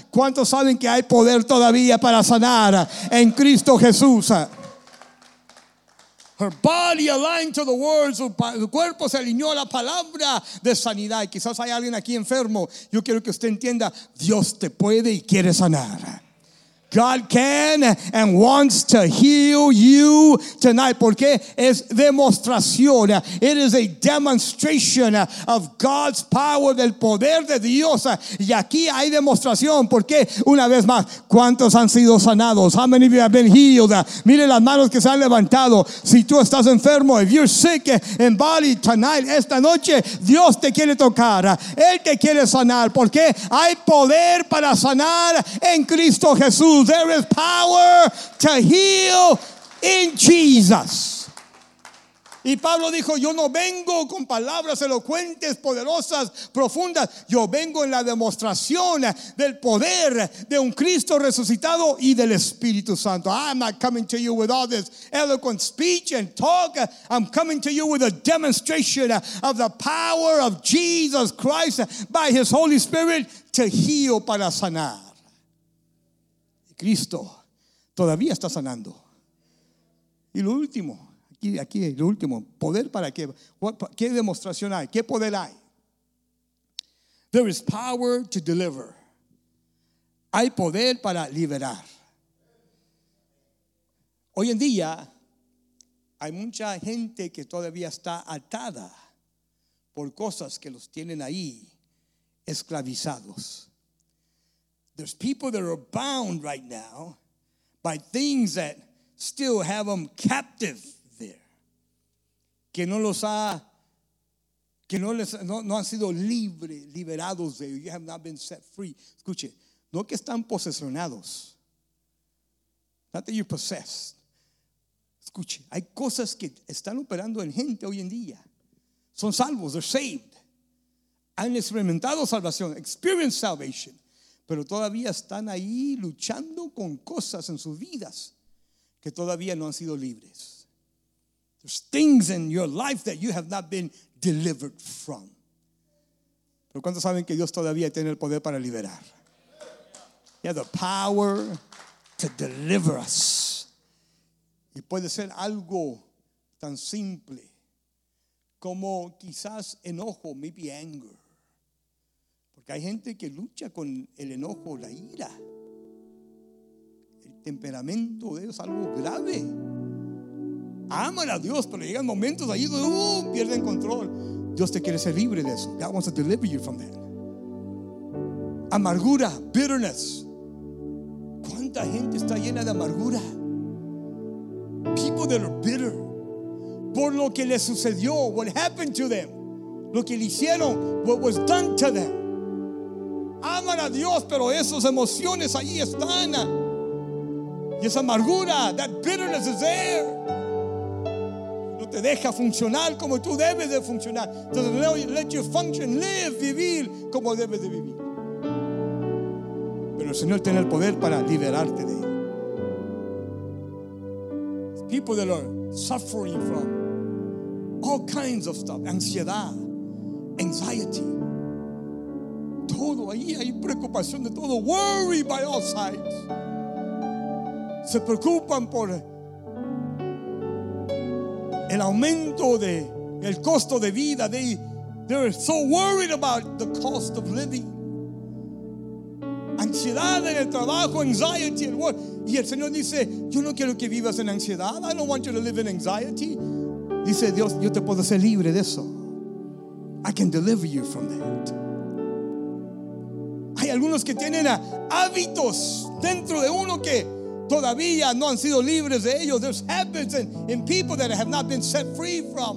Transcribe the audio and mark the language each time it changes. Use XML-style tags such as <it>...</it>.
<es>¿Cuántos saben que hay poder todavía para sanar en Cristo Jesús?</es> <en>Her body aligned to the words.</en> <es>Su cuerpo se alineó a la palabra de sanidad. Quizás hay alguien aquí enfermo. Yo quiero que usted entienda, Dios te puede y quiere sanar.</es> <en>God can and wants to heal you tonight.</en> <es>Porque es demostración.</es> <en>It is a demonstration of God's power,</en> <es>del poder de Dios. Y aquí hay demostración. Porque una vez más, ¿cuántos han sido sanados?</es> <en>How many of you have been healed?</en> <es>Miren las manos que se han levantado. Si tú estás enfermo,</es> <en>if you're sick in body tonight,</en> <es>esta noche, Dios te quiere tocar. Él te quiere sanar. Porque hay poder para sanar en Cristo Jesús.</es> <en>There is power to heal in Jesus.</en> <es>Y Pablo dijo, yo no vengo con palabras elocuentes, poderosas, profundas. Yo vengo en la demostración del poder de un Cristo resucitado y del Espíritu Santo.</es> <en>I'm not coming to you with all this eloquent speech and talk. I'm coming to you with a demonstration of the power of Jesus Christ by his Holy Spirit to heal, para sanar.</en> <es>Cristo todavía está sanando. Y lo último, aquí lo último, ¿poder para qué? ¿Qué demostración hay? ¿Qué poder hay?</es> <en>There is power to deliver.</en> <es>Hay poder para liberar. Hoy en día hay mucha gente que todavía está atada por cosas que los tienen ahí esclavizados.</es> <en>There's people that are bound right now by things that still have them captive there.</en> <es>Que no los ha, que no les, no, no han sido libre, liberados de.</es> <en>You have not been set free.</en> <es>Escuche, no que están posesionados.</es> <en>Not that you're possessed.</en> <es>Escuche, hay cosas que están operando en gente hoy en día. Son salvos,</es> <en>they're saved.</en> <es>Han experimentado salvación,</es> <en>experienced salvation.</en> <es>Pero todavía están ahí luchando con cosas en sus vidas que todavía no han sido libres.</es> <en>There's things in your life that you have not been delivered from.</en> <es>Pero ¿cuántos saben que Dios todavía tiene el poder para liberar?</es> <en>He has the power to deliver us.</en> <es>Y puede ser algo tan simple como quizás enojo,</es> <en>maybe anger.</en> <es>Que hay gente que lucha con el enojo, la ira. El temperamento de ellos es algo grave. Aman a Dios, pero llegan momentos ahí donde pierden control. Dios te quiere ser libre de eso.</es> <en>God wants to deliver you from that.</en> <es>Amargura, bitterness. ¿Cuánta gente está llena de amargura?</es> <en>People that are bitter.</en> <es>Por lo que les sucedió,</es> <en>what happened to them.</en> <es>Lo que le hicieron,</es> <en>what was done to them.</en> <es>Aman a Dios, pero esas emociones ahí están. Y esa amargura,</es> <en>that bitterness is there. No</en> <es>te deja funcionar como tú debes de funcionar.</es> <en>Doesn't let you function, live,</en> <es>vivir como debes de vivir. Pero el Señor tiene el poder para liberarte de él.</es> <en>People that are suffering from all kinds of stuff, ansiedad, anxiety,</en> <es>todo ahí hay preocupación de todo,</es> <en>worry by all sides.</en> <es>Se preocupan por el aumento de el costo de vida.</es> <en>They're so worried about the cost of living.</en> <es>Ansiedad en el trabajo,</es> <en>anxiety at work.</en> <es>Y el Señor dice, yo no quiero que vivas en ansiedad.</es> <en>I don't want you to live in anxiety.</en> <es>Dice Dios, yo te puedo hacer libre de eso.</es> <en>I can deliver you from that.</en> <es>Hay algunos que tienen hábitos dentro de uno que todavía no han sido libres de ellos.</es> <en>There's habits in people that have not been set free from.</en>